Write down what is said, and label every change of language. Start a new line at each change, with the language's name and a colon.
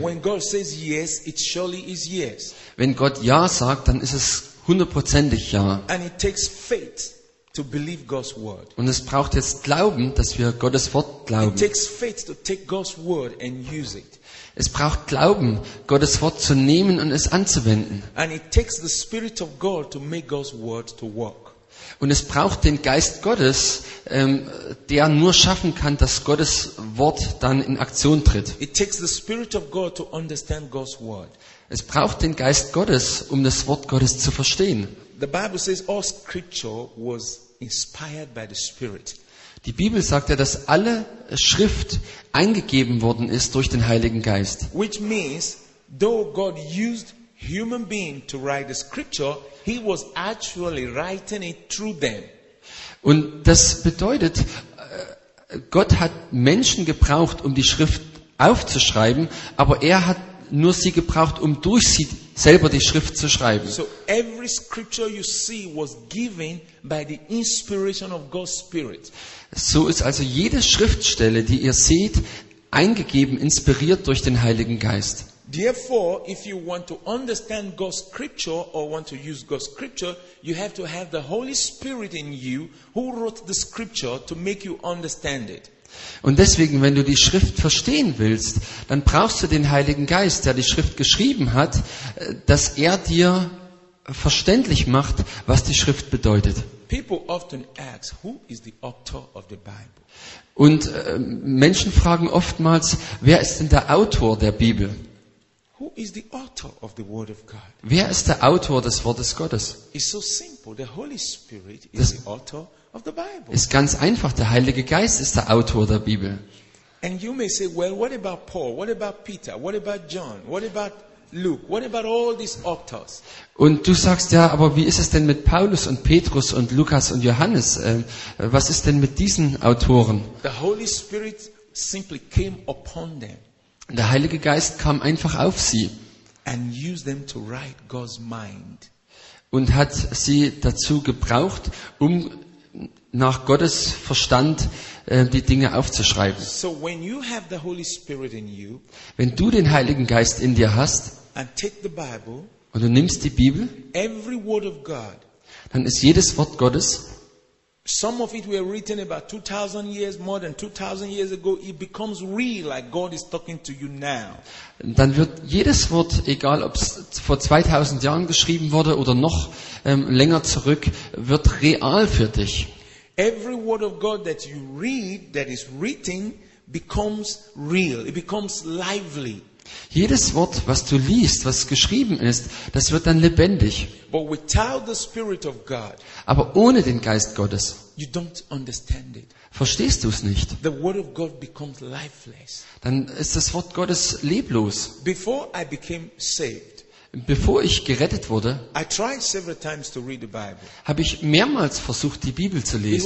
English: When God says yes, it surely is yes.
German: Wenn Gott ja sagt, dann ist es hundertprozentig ja.
English: And it takes faith to believe God's word.
German: Und es braucht jetzt Glauben, dass wir Gottes Wort glauben.
English: It takes faith to take God's word and use it.
German: Es braucht Glauben, Gottes Wort zu nehmen und es anzuwenden.
English: And it takes the spirit of God to make God's word to work.
German: Und es braucht den Geist Gottes, der nur schaffen kann, dass Gottes Wort dann in Aktion tritt.
English: It takes the spirit of God to understand God's word.
German: Es braucht den Geist Gottes, um das Wort Gottes zu verstehen.
English: The Bible says all scripture was inspired by the Spirit.
German: Die Bibel sagt ja, dass alle Schrift eingegeben worden ist durch den Heiligen Geist.
English: Which means, though God used human being to write the scripture, he was actually writing it through them.
German: Und das bedeutet, Gott hat Menschen gebraucht, um die Schrift aufzuschreiben, aber er hat nur sie gebraucht, um durch sie selber die Schrift zu schreiben.
English: So every scripture you see was given by the inspiration of God's Spirit.
German: So ist also jede Schriftstelle, die ihr seht, eingegeben, inspiriert durch den Heiligen Geist.
English: Therefore, if you want to understand God's scripture or want to use God's scripture, you have to have the Holy Spirit in you who wrote the scripture to make you understand it.
German: Und deswegen, wenn du die Schrift verstehen willst, dann brauchst du den Heiligen Geist, der die Schrift geschrieben hat, dass er dir verständlich macht, was die Schrift bedeutet.
English: People often ask, who is the author of the Bible?
German: Und Menschen fragen oftmals, wer ist denn der Autor der Bibel?
English: Who is the author of the word of God?
German: Wer ist der Autor des Wortes Gottes?
English: It's so simple. The Holy Spirit is the author of the Bible.
German: Ist ganz einfach. Der Heilige Geist ist der Autor der Bibel.
English: And you may say, well, what about Paul? What about Peter? What about John? What about Luke? What about all these authors?
German: Und du sagst ja, aber wie ist es denn mit Paulus und Petrus und Lukas und Johannes? Was ist denn mit diesen Autoren?
English: The Holy Spirit simply came upon them.
German: Der Heilige Geist kam einfach auf sie
English: and used them to write God's mind.
German: Und hat sie dazu gebraucht, um nach Gottes Verstand die Dinge aufzuschreiben.
English: So when you have the Holy Spirit in you,
German: wenn du den Heiligen Geist in dir hast
English: and take the Bible,
German: und du nimmst die Bibel,
English: every word of God,
German: dann ist jedes Wort Gottes,
English: some of it were written about 2000 years, more than 2000 years ago, it becomes real, like God is talking to you now.
German: Dann wird jedes Wort, egal ob es vor 2000 Jahren geschrieben wurde oder noch länger zurück, wird real für dich.
English: Every word of God that you read, that is written, becomes real. It becomes lively.
German: Jedes Wort, was du liest, was geschrieben ist, das wird dann lebendig.
English: But without the Spirit of God,
German: aber ohne den Geist Gottes,
English: you don't understand it.
German: Verstehst du es nicht,
English: the word of God becomes lifeless.
German: Dann ist das Wort Gottes leblos.
English: Before I became saved,
German: bevor ich gerettet wurde,
English: I tried several times to read the Bible.
German: Habe ich mehrmals versucht, die Bibel zu lesen.